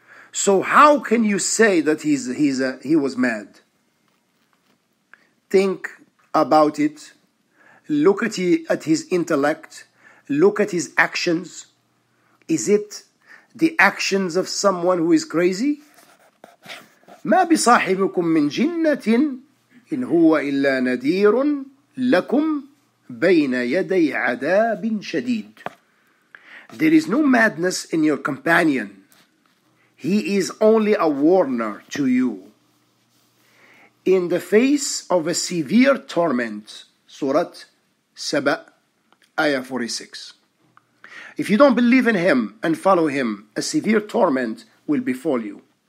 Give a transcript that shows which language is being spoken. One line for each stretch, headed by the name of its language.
English: So how can you say that he was mad? Think about it. Look at his intellect. Look at his actions. Is it the actions of someone who is crazy?
Arabic: ما بصاحبكم من جنة إن هو إلا نذير لكم بين يدي عذاب شديد.
English: There is no madness in your companion. He is only a warner to you. In the face of a severe torment. Surah Sabah, Ayah 46. If you don't believe in him and follow him, a severe torment will befall you.